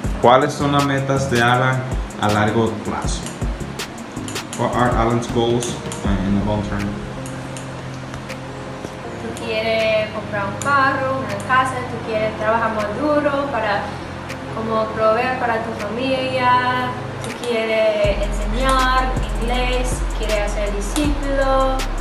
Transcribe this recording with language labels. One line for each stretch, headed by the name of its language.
Spanish: ¿Cuáles son las metas de Alan a largo plazo?
English: What are Alan's goals in the long term?
Spanish: Quiere comprar un carro, una casa, tú quieres trabajar más duro para como proveer para tu familia, tú quieres enseñar inglés, quieres hacer discípulo.